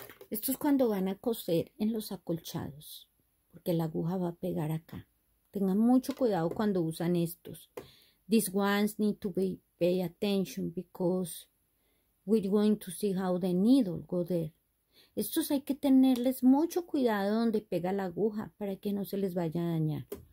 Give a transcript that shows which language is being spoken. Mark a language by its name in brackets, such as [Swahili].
[Spanish] Esto es cuando van a coser en los acolchados, porque la aguja va a pegar acá. Tengan mucho cuidado cuando usan estos. [English] These ones need to be pay attention because we're going to see how the needle go there. [Spanish] Estos hay que tenerles mucho cuidado donde pega la aguja para que no se les vaya a dañar.